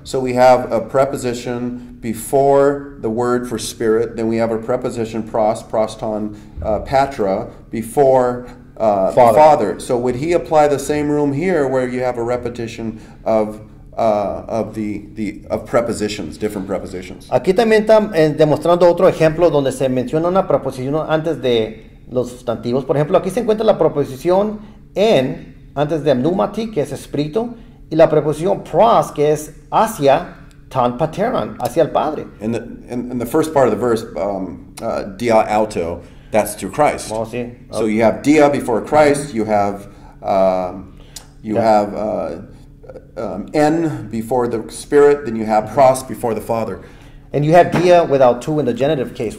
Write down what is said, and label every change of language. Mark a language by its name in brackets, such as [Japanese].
[English] So we have a preposition before the word for spirit. Then we have a preposition proston, patra, before father. So would he apply the same rule here where you have a repetition of prepositions, different prepositions? [Spanish] Aquí también está demostrando otro ejemplo donde se menciona una preposición antes de los sustantivos. Por ejemplo, aquí se encuentra la preposición en antes de pneumati, que es espíritu, y la preposición pros, que es hacia tan pateran, hacia el Padre. [English] In the first part of the verse, dia auto, that's to Christ. Well, sí. So you have dia before Christ, you have en before the Spirit, then you have pros before the Father. And you have dia without tu in the genitive case.